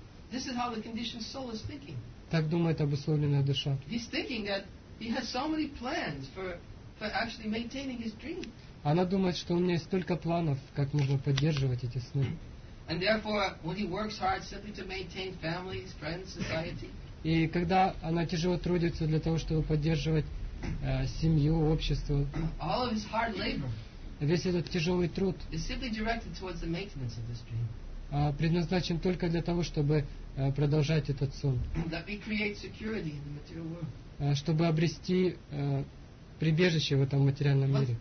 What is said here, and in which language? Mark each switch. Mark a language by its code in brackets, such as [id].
[en] This is how the conditioned soul is thinking. [ru] Так думает обусловленная душа. [en] He's thinking that he has so many plans for actually maintaining his dream. [ru] Она думает, что у меня есть столько планов, как нужно поддерживать эти сны. [en] And therefore, when he works hard simply to maintain family, friends, society. [ru] И когда она тяжело трудится для того, чтобы поддерживать семью, общество, [en] all of his hard labor, [ru] весь этот тяжелый труд [en] is simply directed towards the maintenance of this dream. [ru] Предназначен только для того, чтобы продолжать этот сон. [en] That we create security in the material world. [ru] Чтобы обрести прибежище в этом материальном мире.